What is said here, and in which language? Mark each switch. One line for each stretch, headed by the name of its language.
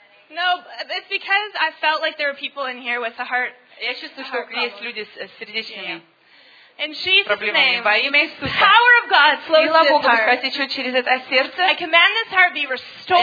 English: No, it's because I felt like there were people in here with a heart.
Russian: Я чувствую, что есть люди с сердечными.
English: Yeah. In Jesus' name, the power of God flows through this heart. I command this heart to be restored.